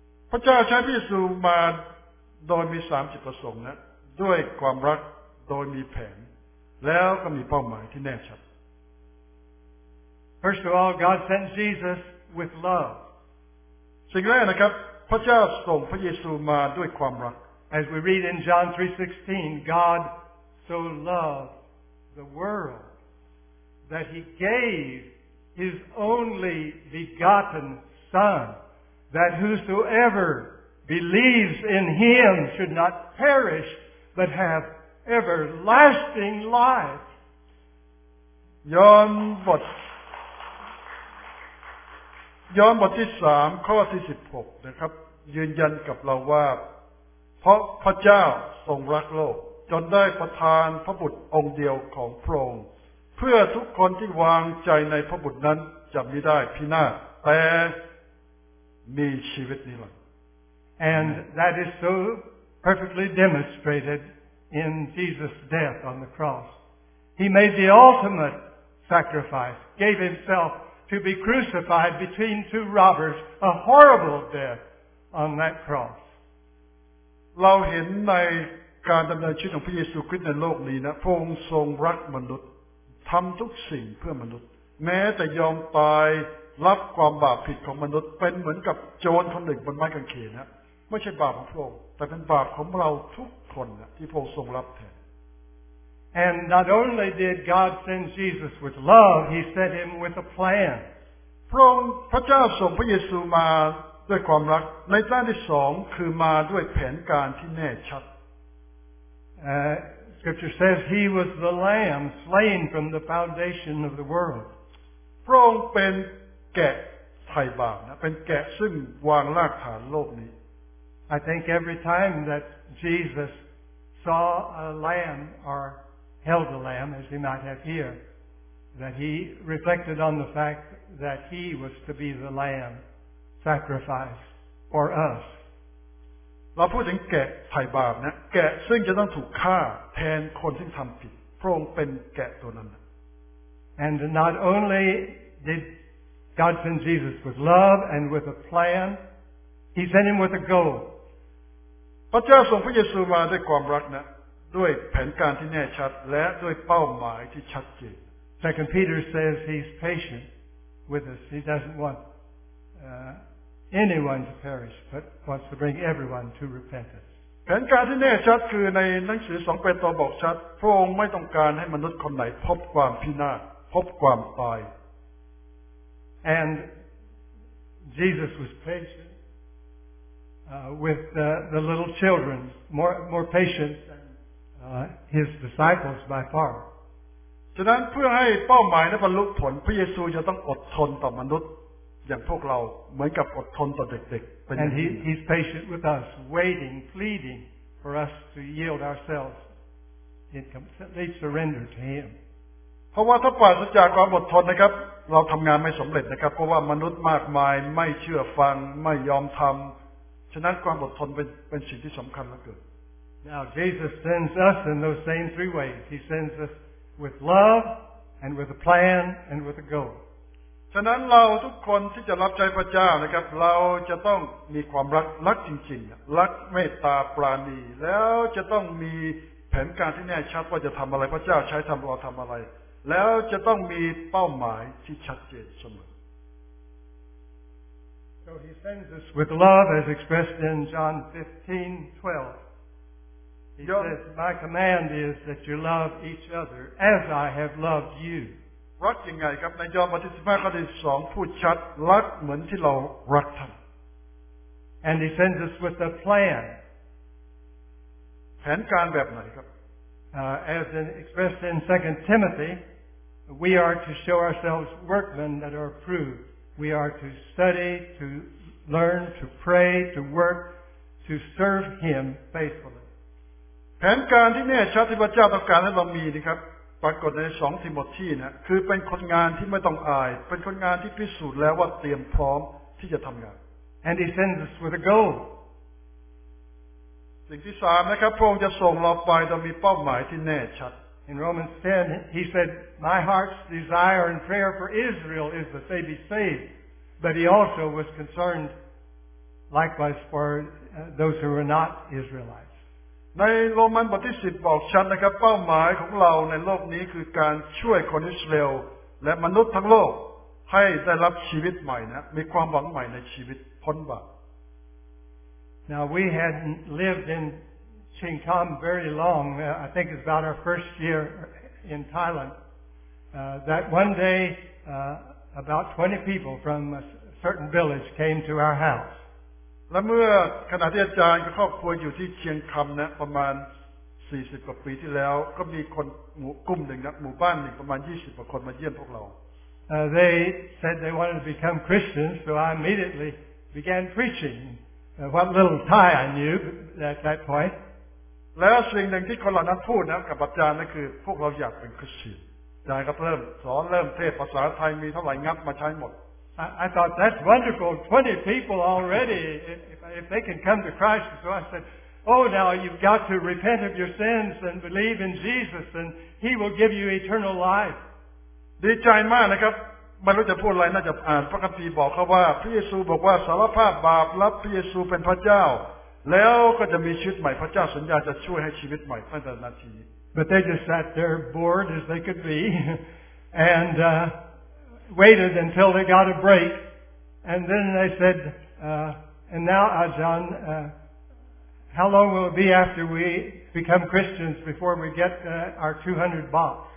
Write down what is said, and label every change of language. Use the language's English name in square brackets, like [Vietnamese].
[Thai] พระเจ้าใช้พระเยซูมาโดยมี3จุดประสงค์นะด้วยความรักโดยมีแผนแล้วก็มีเป้าหมายที่แน่ชัด [English] First of all God sent Jesus with love [Thai] สิ่งแรกนะครับพระเจ้าส่งพระเยซูมาด้วยความรัก [English] As we read in John 3:16 God so loved the world that he gave his only begotten son that whosoeverBelieves in Him should not perish, but have everlasting life. John, what? [Thai] ยอห์นบทที่3ข้อ46นะครับยืนยันกับเราว่าเพราะพระเจ้าทรงรักโลกจนได้ประทานพระบุตรองค์เดียวของพระองค์เพื่อทุกคนที่วางใจในพระบุตรนั้นจะไม่ได้พินาศแต่มีชีวิตนิรันดร์ [English] And that is so perfectly demonstrated in Jesus' death on the cross. He made the ultimate sacrifice, gave himself to be crucified between two robbers, a horrible death on that cross. [Thai] เราเห็นในการดำเนินชีวิตของพระเยซูคริสต์ในโลกนี้นะพระองค์ทรงรักมนุษย์ทำทุกสิ่งเพื่อมนุษย์แม้แต่ยอมตายรับความบาปผิดของมนุษย์เป็นเหมือนกับโจรคนหนึ่งบนไม้กางเขนนะไม่ใช่บาปของพระองค์แต่เป็นบาปของเราทุกคนนะที่พระองค์ทรงรับแทน [English] And not only did God send Jesus with love, He sent Him with a plan. [Thai] พระองค์พระเจ้าส่งพระเยซูมาด้วยความรักในด้านที่สองคือมาด้วยแผนการที่แน่ชัด [English] Scripture says he was the lamb slain from the foundation of the world [Thai] พระองค์เป็นแกะไถ่บาปนะเป็นแกะซึ่งวางรากฐานโลกนี้ [English] I think every time that Jesus saw a lamb or held a lamb as he might have here that he reflected on the fact that he was to be the lambSacrifice for us. [Thai] เราพูดถึงแกะไถ่บาปนะแกะซึ่งจะต้องถูกฆ่าแทนคนที่ทำผิดพระองค์เป็นแกะตัวนั้น [English] And not only did God send Jesus with love and with a plan, He sent Him with a goal. [Thai] พระเจ้าส่งพระเยซูมาด้วยความรักนะด้วยแผนการที่แน่ชัดและด้วยเป้าหมายที่ชัดเจน [English] Second Peter says He's patient with us. He doesn't wantanyone to perish but wants to bring everyone to repentance [Thai] แผนการที่แน่ชัดคือในหนังสือ2เปโตรบอกชัดพระองค์ไม่ต้องการให้มนุษย์คนไหนพบความพินาศพบความตาย [English] and Jesus was patient with the little children more patient than his disciples by far [Thai] ฉะนั้นเพื่อให้เป้าหมายนั้นบรรลุผลพระเยซูจะต้องอดทนต่อมนุษย์อย่างพวกเราเหมือนกับอดทนต่อเด็กๆเป็นอย่างนี้ [English] And he's patient with us waiting pleading for us to yield ourselves in complete surrender to him [Thai] เพราะว่าถ้าปราศจากความอดทนนะครับเราทำงานไม่สำเร็จนะครับเพราะว่ามนุษย์มากมายไม่เชื่อฟังไม่ยอมทำฉะนั้นความอดทนเป็นสิ่งที่สำคัญมากเกิด [English] Now Jesus sends us in those same three ways he sends us with love and with a plan and with a goal [Thai] ฉะนั้นเราทุกคนที่จะรับใจพระเจ้านะครับเราจะต้องมีความรักรักจริงๆรักเมตตาปราณีแล้วจะต้องมีแผนการที่แน่ชัดว่าจะทำอะไรพระเจ้าใช้ทำเราทำอะไรแล้วจะต้องมีเป้าหมายที่ชัดเจนเสมอ [English] So he sends us with love as expressed in John 15:12 He says my command is that you love each other as I have loved you [Thai] รักยังไงครับในยอห์นบทที่15ข้อที่2พูดชัดรักเหมือนที่เรารักท่าน [English] And he sends us with a plan [Thai] แผนการแบบไหนครับ [English] As in expressed in 2 Timothy we are to show ourselves workmen that are approved we are to study to learn to pray to work to serve him faithfully [Thai] แผนการที่แน่ชัดที่พระเจ้าต้องการให้เรามีนะครับปรากฏใน2ทิโมธีนะคือเป็นคนงานที่ไม่ต้องอายเป็นคนงานที่พิสูจน์แล้วว่าเตรียมพร้อมที่จะทำงาน [English] And he sends us with a goal [Thai] สิ่งที่3นะครับพระองค์จะส่งเราไปโดยมีเป้าหมายที่แน่ชัด [English] In Romans 10 he said my heart's desire and prayer for Israel is that they be saved but he also was concerned likewise for those who were not Israelites. [Thai] ในโรมันบทที่10บอกชัดนะครับเป้าหมายของเราในโลกนี้คือการช่วยคนอิสราเอลและมนุษย์ทั้งโลกให้ได้รับชีวิตใหม่นะมีความหวังใหม่ในชีวิตพ้นบาป [English] Now we had lived in Chiang Kham very long I think it's about our first year in Thailand that one day about 20 people from a certain village came to our house [Thai] และเมื่อขณะที่อาจารย์กับครอบครัวอยู่ที่เชียงคำนะประมาณ40กว่าปีที่แล้วก็มีคนหมู่กลุ่มหนึ่งนะหมู่บ้านหนึ่งประมาณ20กว่าคนมาเยี่ยมพวกเรา [English] They said they wanted to become Christians, so I immediately began preaching. What little Thai I knew at that point. [Thai] แล้วสิ่งหนึ่งที่คนเหล่านั้นพูดนะกับอาจารย์นั่นคือพวกเราอยากเป็นคริสเตียนอยากเริ่มสอนเริ่มเทศภาษาไทยมีเท่าไหร่งับมาใช้หมด [English] I thought that's wonderful 20 people already if they can come to Christ so I said oh now you've got to repent of your sins and believe in Jesus and he will give you eternal life [Thai] ดีใจมากนะครับไม่รู้จะพูดอะไรน่าจะอ่านพระคัมภีร์บอกเขาว่าพระเยซูบอกว่าสารภาพบาปรับพระเยซูเป็นพระเจ้าแล้วก็จะมีชีวิตใหม่พระเจ้าสัญญาจะช่วยให้ชีวิตใหม่ตั้งแต่นาทีนี้ [English] But they just sat there bored as they could be and waited until they got a break and then they said and now Ajahn how long will it be after we become Christians before we get our 200 baht